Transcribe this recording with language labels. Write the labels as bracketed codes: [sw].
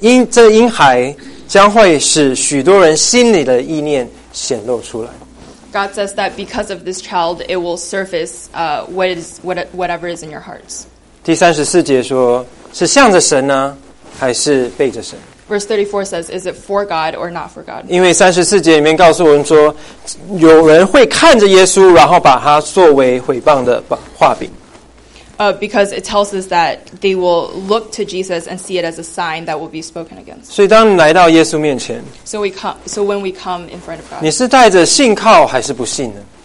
[zh] 这婴孩将会使许多人心里的意念显露出来。 [en] God says that because of this child, it will surface whatever is in your hearts. [zh] 第34节说, 是向着神呢, 还是背着神? [en] Verse 34 says, is it for God or not for God? [zh] 因为34节里面告诉我们说, 有人会看着耶稣, 然后把他作为毁谤的画饼。 [en] Because it tells us that they will look to Jesus and see it as a sign that will be spoken against. [zh] 所以当你来到耶稣面前, [en] So when we come in front of God, [zh] 你是带着信靠还是不信呢?